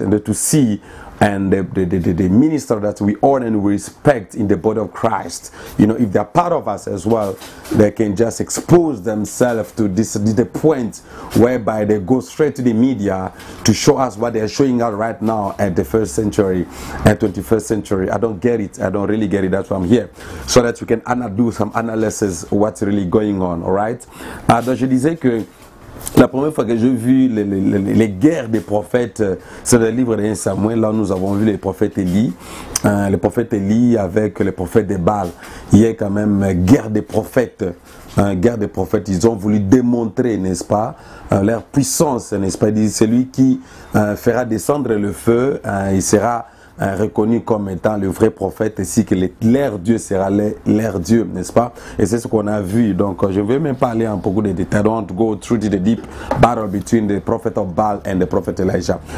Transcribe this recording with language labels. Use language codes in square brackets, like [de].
[en] And to see and the minister that we honor and we respect in the body of Christ, you know, if they're part of us as well, they can just expose themselves to this, the point whereby they go straight to the media to show us what they're showing us right now at the first century and 21st century. I don't get it. I don't really get it. That's why I'm here, so that we can do some analysis what's really going on. All right. [fr] Donc je disais que la première fois que j'ai vu les guerres des prophètes, c'est le livre de 1 Samuel. Là, nous avons vu les prophètes Élie. Les prophètes Élie avec les prophètes de Baal. Il y a quand même guerre des prophètes. Guerre des prophètes, ils ont voulu démontrer, n'est-ce pas, leur puissance, n'est-ce pas. Ils disent, celui qui fera descendre le feu, il sera reconnu comme étant le vrai prophète, ainsi que leur Dieu sera leur Dieu, n'est-ce pas? Et c'est ce qu'on a vu. Donc, je ne vais même pas aller en beaucoup de détails. [en] Don't go through the deep battle between the prophet of Baal and the prophet Elijah.